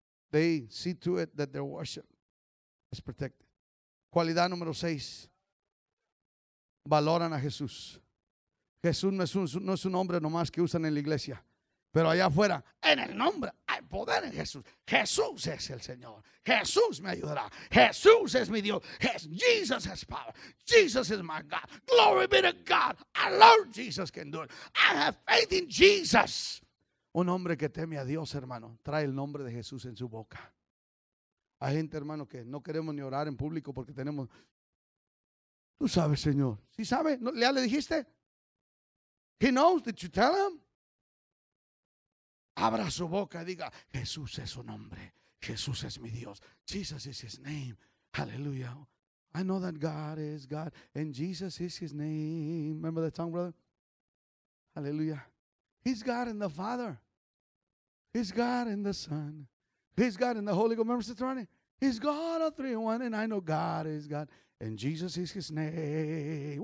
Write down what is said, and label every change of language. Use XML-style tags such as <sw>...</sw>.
<en>They see to it that their worship is protected.</en> <es>Cualidad número 6. Valoran a Jesús. Jesús no es un hombre nomás que usan en la iglesia. Pero allá afuera, en el nombre, hay poder en Jesús. Jesús es el Señor. Jesús me ayudará. Jesús es mi Dios.</es> <en>Jesus has power. Jesus is my God. Glory be to God. Our Lord Jesus can do it. I have faith in Jesus.</en> <es>Un hombre que teme a Dios, hermano, trae el nombre de Jesús en su boca. Hay gente, hermano, que no queremos ni orar en público porque tenemos. Tú sabes, Señor. ¿Sí sabe? ¿Ya le dijiste?</es> <en>He knows. Did you tell him?</en> <es>Abra su boca y diga, Jesús es su nombre. Jesús es mi Dios.</es> <en>Jesus is his name. Hallelujah. I know that God is God and Jesus is his name. Remember that song, brother? Hallelujah. He's God in the Father. He's God in the Son. He's God in the Holy Ghost. Remember Deuteronomy? He's God of 3-1 and I know God is God and Jesus is his name.</en>